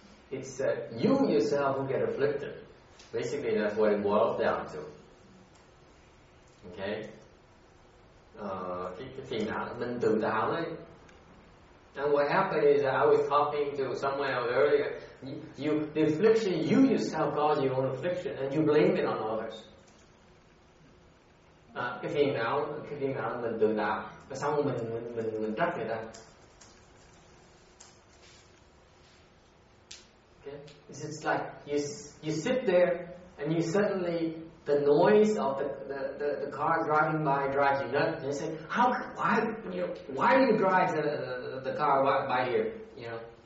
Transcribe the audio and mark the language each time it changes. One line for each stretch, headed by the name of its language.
English: It's you yourself who get afflicted. Basically, that's what it boils down to. Okay.
Vietnamese: Cái phiền não mình tự tạo đấy.
English: And what happened is I was talking to someone else earlier. You the affliction you yourself cause your own affliction, and you blame it on others.
Vietnamese: Cái phiền não mình tự tạo. Và xong mình trách người ta.
English: Okay. It's like you sit there and you suddenly the noise of the car driving by drives you nuts. You say, why do you drive the car by here? You know.